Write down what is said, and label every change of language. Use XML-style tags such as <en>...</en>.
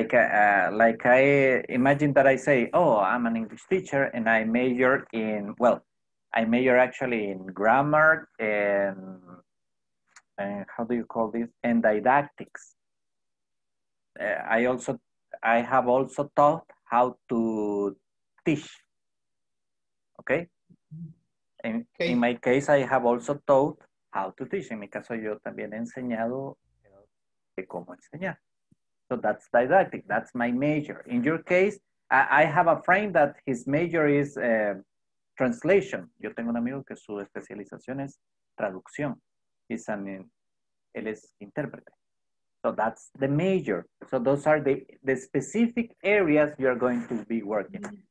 <en>I imagine that I say, oh, I'm an English teacher and I major in, well, I major actually in grammar and how do you call this? And didactics. I have also taught how to teach. Okay? In my case, I have also taught how to teach.</en> <es>En mi caso, yo también he enseñado de cómo enseñar.</es> <en>So that's didactic. That's my major. In your case, I have a friend that his major is translation.</en> <es>Yo tengo un amigo que su especialización es traducción. Él es intérprete.</es> <en>So that's the major. So those are the specific areas you're going to be working.</en>